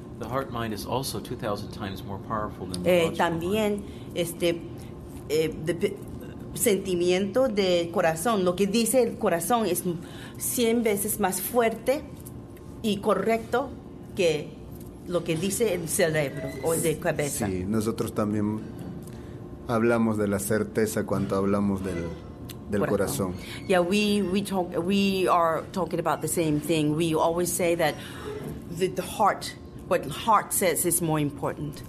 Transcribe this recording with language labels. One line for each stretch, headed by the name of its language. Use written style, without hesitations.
English: The heart mind is also 2,000 times more powerful than the
Spanish: También
English: mind.
Spanish: Sentimiento de corazón, lo que dice el corazón es 100 veces más fuerte y correcto que lo que dice el cerebro o de cabeza. Sí, nosotros también hablamos de la certeza cuando hablamos del corazón.
English: Yeah, we are talking about the same thing. We always say that the heart, what the heart says is more important.